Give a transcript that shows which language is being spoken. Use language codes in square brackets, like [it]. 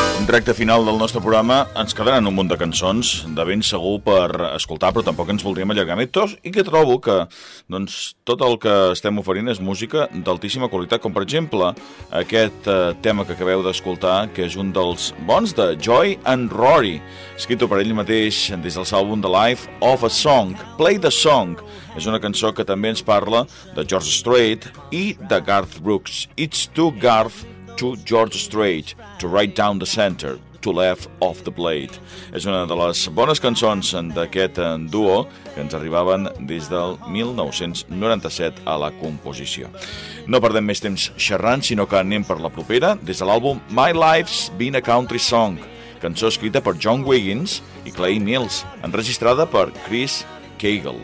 [ca] Directe final del nostre programa, ens quedaran un munt de cançons de ben segur per escoltar, però tampoc ens voldríem allargar més tot, i que trobo que doncs, tot el que estem oferint és música d'altíssima qualitat, com per exemple aquest tema que acabeu d'escoltar, que és un dels bons de Joy and Rory, escrito per ell mateix des del àlbum de Life of a Song, Play the Song. És una cançó que també ens parla de George Strait i de Garth Brooks. [en] It's to Garth to George Strait, to right down the center, to left of the plate. [ca] És una de les bones cançons d'aquest duo que ens arribaven des del 1997 a la composició. No perdem més temps xerrant, sinó que anem per la propera, des de l'àlbum My Life's Been a Country Song, cançó escrita per John Wiggins i Clay Mills, enregistrada per Chris Cagle.